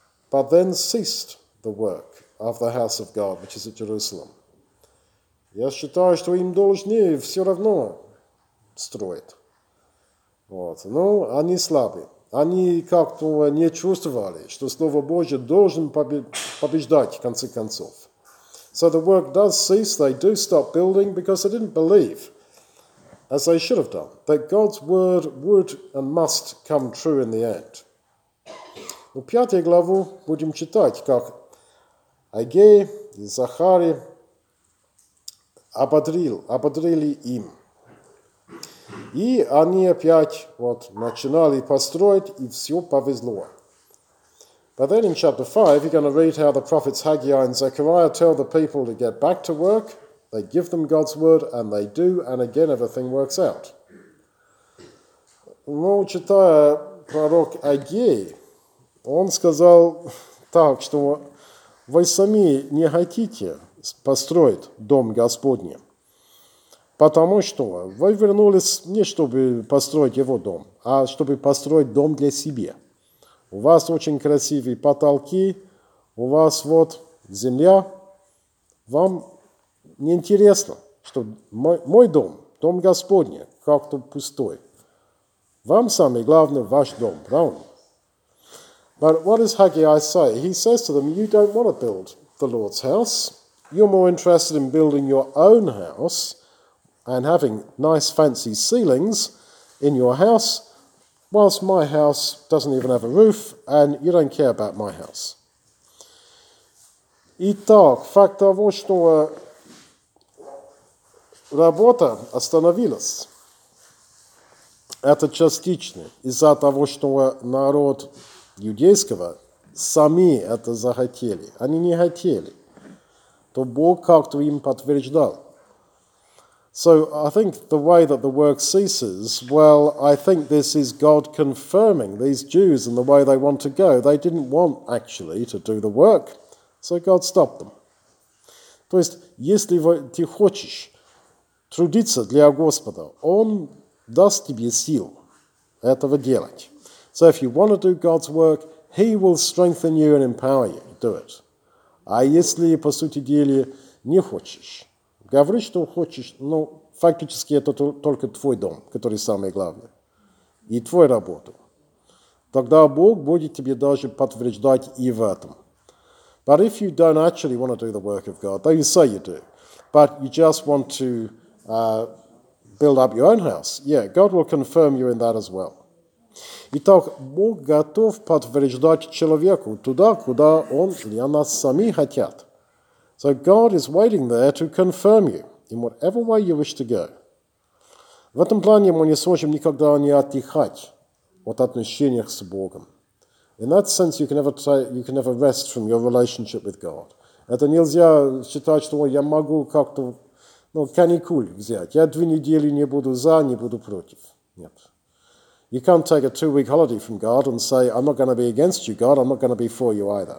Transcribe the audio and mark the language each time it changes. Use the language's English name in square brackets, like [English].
[English] But then ceased the work of the house of God, which is at Jerusalem. [Russian] Я считаю, что им должны все равно строит. Вот. Ну, они слабы. Они как-то не чувствовали, что Слово Божие должен побеждать, в конце концов. [English] So the work does cease, they do stop building, because they didn't believe, as they should have done, that God's word would and must come true in the end. [Russian] Ну, пятую главу будем читать, как Агей и Захарий ободрили им. И они опять вот начинали построить, и все повезло. [English] But then in chapter 5, you're going to read how the prophets Haggai and Zechariah tell the people to get back to work. They give them God's word, and they do, and again everything works out. [Russian] Но читая пророк Агей, он сказал так, что вы сами не хотите построить дом Господний. Потому что вы вернулись не чтобы построить его дом, а чтобы построить дом для себя. У вас очень красивые потолки, у вас вот земля. Вам не интересно, что мой дом, дом Господний, как-то пустой. Вам самое главное ваш дом, правда? [English] But what does Haggai say? He says to them, you don't want to build the Lord's house. You're more interested in building your own house and having nice fancy ceilings in your house, whilst my house doesn't even have a roof, and you don't care about my house. [Russian] Итак, факт того, что работа остановилась, это частично из-за того, что народ иудейского сами это захотели. Они не хотели. То Бог как-то им подтверждал. [English] So I think the way that the work ceases, well, I think this is God confirming these Jews in the way they want to go. They didn't want actually to do the work, so God stopped them. [Russian] То есть, если ты хочешь трудиться для Господа, Он даст тебе сил этого делать. [English] So if you want to do God's work, He will strengthen you and empower you to do it. [Russian] А если, по сути дела, не хочешь, говори, что хочешь, но фактически это только твой дом, который самый главный, и твою работу. Тогда Бог будет тебе даже подтверждать и в этом. [English] But if you don't actually want to do the work of God, though you say you do, but you just want to build up your own house, yeah, God will confirm you in that as well. [Russian] Итак, Бог готов подтверждать человеку туда, куда он или она сами хотят. [English] So God is waiting there to confirm you in whatever way you wish to go. [Russian] В этом плане мы не сможем никогда не отдыхать от отношениях с Богом. [English] In that sense, you can never rest from your relationship with God. [Russian] Это нельзя считать, что я могу как-то, ну, каникуль взять. Я две недели не буду за, не буду против. Нет. [English] You can't take a two-week holiday from God and say, I'm not going to be against you, God. I'm not going to be for you either.